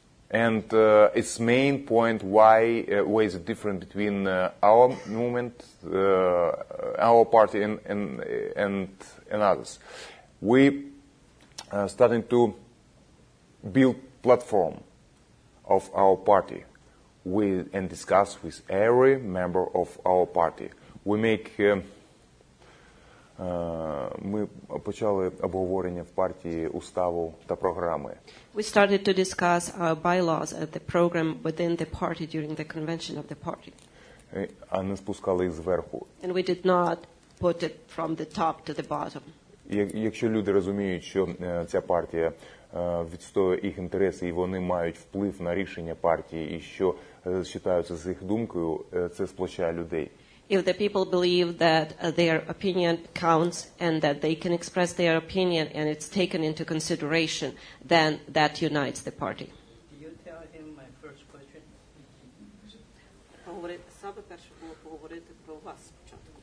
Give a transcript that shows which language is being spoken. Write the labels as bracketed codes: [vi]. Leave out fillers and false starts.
[en] And its main point why is it different between our movement, our party, and others. We starting to build platform of our party with and discuss with every member of our party. We make [uk] ми почали обговорення в партії уставу та програми. [en] We started to discuss our bylaws and the program within the party during the convention of the party. [uk] А не спускали зверху. [en] And we did not put it from the top to the bottom. [uk] Якщо люди розуміють, що ця партія відстоює їх інтереси, і вони мають вплив на рішення партії, і що вважаються з їх думкою, це сплощає людей. [en] If the people believe that their opinion counts and that they can express their opinion and it's taken into consideration, then that unites the party. Do you tell him my first question? [uk] Поговорити, саме перше було поговорити про вас спочатку.